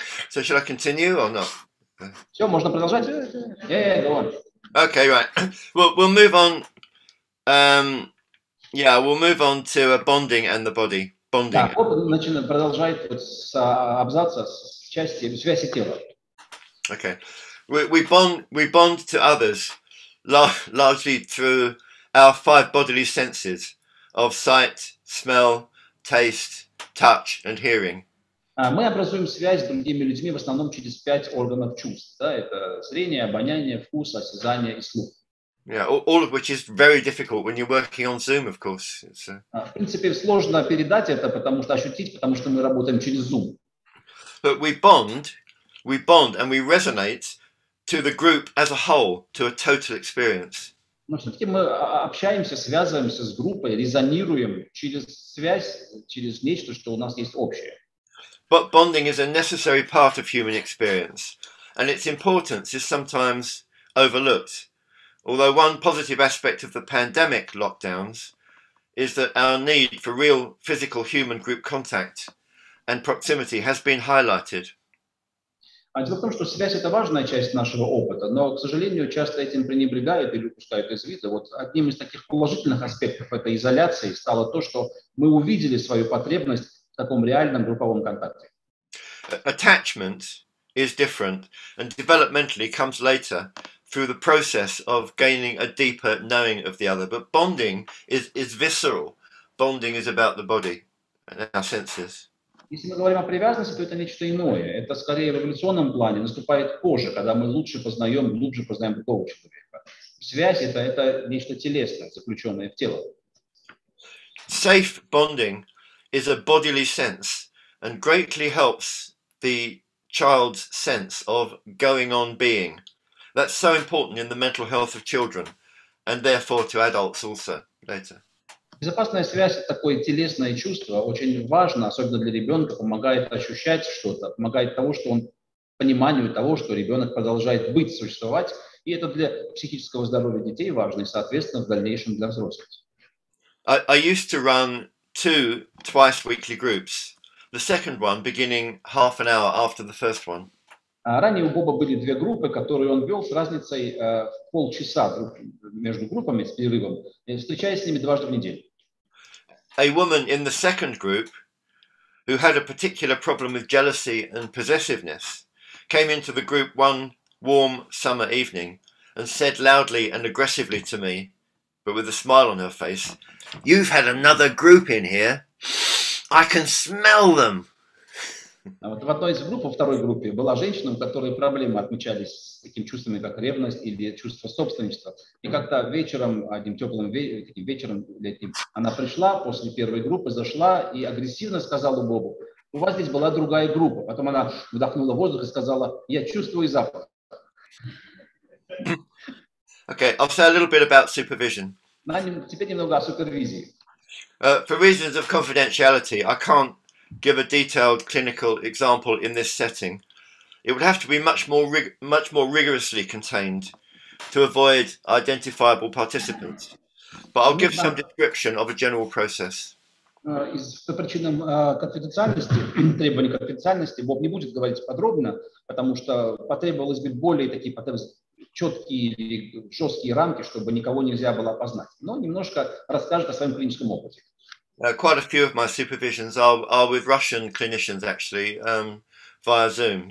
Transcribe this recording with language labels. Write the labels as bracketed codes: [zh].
[en] So should I continue or not? Sure, [ru] можно продолжать. [en] Yeah, go on. Okay, right. We'll move on. We'll move on to a bonding and the body. Bonding. [ru] Да, Bob начинает продолжать вот с абзаца с части связи тела. [en] Okay. We bond to others largely through our five bodily senses of sight, smell, taste, touch and hearing. [ru] Мы образуем связь с другими людьми в основном через пять органов чувств. Да? Это зрение, обоняние, вкус, осязание и слух. [en] Yeah, all of which is very difficult when you're working on Zoom, of course. It's a... [ru] В принципе, сложно передать это, потому что ощутить, потому что мы работаем через Zoom. [en] But we bond and we resonate to the group as a whole, to a total experience. [ru] Но все-таки мы общаемся, связываемся с группой, резонируем через связь, через нечто, что у нас есть общее. [en] But bonding is a necessary part of human experience, and its importance is sometimes overlooked. Although one positive aspect of the pandemic lockdowns is that our need for real physical human group contact and proximity has been highlighted. [ru] А дело в том, что связь – это важная часть нашего опыта, но, к сожалению, часто этим пренебрегают или упускают из вида. Вот одним из таких положительных аспектов этой изоляции стало то, что мы увидели свою потребность в таком реальном групповом контакте. [en] Attachment is different and developmentally comes later through the process of gaining a deeper knowing of the other. But bonding is visceral. Bonding is about the body and our senses. [ru] Если мы говорим о привязанности, то это нечто иное. Это скорее в эволюционном плане наступает позже, когда мы лучше познаем другого человека. Связь это нечто телесное, заключенное в тело. [en] Safe bonding is a bodily sense and greatly helps the child's sense of going on being. That's so important in the mental health of children and therefore to adults also later. [ru] Безопасная связь – это такое телесное чувство, очень важно, особенно для ребенка, помогает ощущать что-то, помогает тому, что он пониманию того, что ребенок продолжает быть, существовать, и это для психического здоровья детей важно, и, соответственно, в дальнейшем для взрослых. [en] I used to run two twice weekly groups, the second one beginning half an hour after the first one. [ru] Ранее у Боба были две группы, которые он вел с разницей в полчаса между группами с перерывом, встречаясь с ними дважды в неделю. [en] A woman in the second group, who had a particular problem with jealousy and possessiveness, came into the group one warm summer evening and said loudly and aggressively to me, but with a smile on her face, "You've had another group in here. I can smell them." [ru] А вот в одной из групп, во второй группе, была женщина, у которой проблемы отмечались с такими чувствами, как ревность или чувство собственничества. И как-то вечером, одним теплым вечером летним, она пришла после первой группы, зашла и агрессивно сказала Бобу: "У вас здесь была другая группа". Потом она вдохнула воздух и сказала: "Я чувствую запах". [en] Okay, I'll say a little bit about supervision. [ru] Теперь немного о супервизии. [en] For reasons of confidentiality, I can't give a detailed clinical example in this setting. It would have to be much more rigorously contained to avoid identifiable participants. But I'll give some description of a general process. [ru] По причинам конфиденциальности, требований конфиденциальности, Боб не будет говорить подробно, потому что потребовалось бы более такие четкие или жесткие рамки, чтобы никого нельзя было опознать. Но немножко расскажет о своем клиническом опыте. [en] Quite a few of my supervisions are with Russian clinicians, actually, via Zoom.